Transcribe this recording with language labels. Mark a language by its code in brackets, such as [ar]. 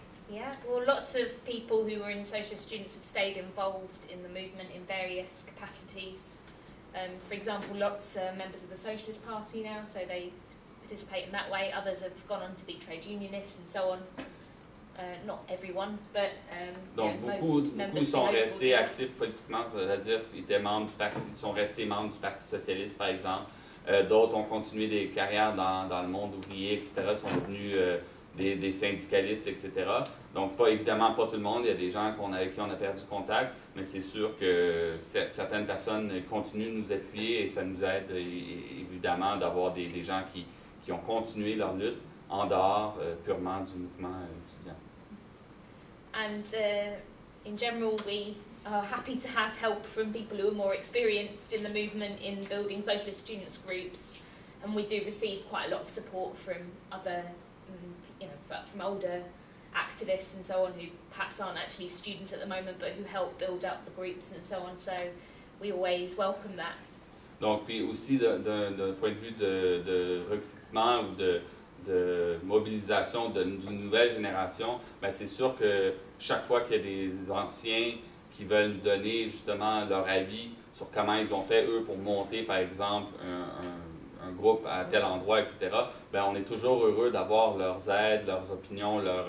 [en] Yeah, well, lots of people who were in Socialist Students have stayed involved in the movement in various capacities. For example, lots of members of the Socialist Party now, so they participate in that way. Others have gone on to be trade unionists and so on. Not everyone, but [fr] beaucoup sont restés actifs politiquement, c'est-à-dire sont restés membres du Parti socialiste, par exemple. D'autres ont continué des carrières dans le monde ouvrier, etc., sont devenus des syndicalistes, etc. Donc, pas tout le monde. Il y a des gens avec qui on a perdu contact, mais c'est sûr que certaines personnes continuent de nous appuyer et ça nous aide, évidemment, d'avoir des gens qui ont continué leur lutte en dehors purement du mouvement étudiant. [en] And in general, we are happy to have help from people who are more experienced in the movement in building socialist students groups, and we do receive quite a lot of support from other, from older activists and so on, who perhaps aren't actually students at the moment, but who help build up the groups and so on. So we always welcome that. [fr] Donc, puis aussi d'un point de vue de recrutement ou de mobilisation d'une nouvelle génération, bien, c'est sûr que chaque fois qu'il y a des anciens qui veulent nous donner justement leur avis sur comment ils ont fait, eux, pour monter, par exemple, un groupe à tel endroit, etc., bien, on est toujours heureux d'avoir leurs aides, leurs opinions,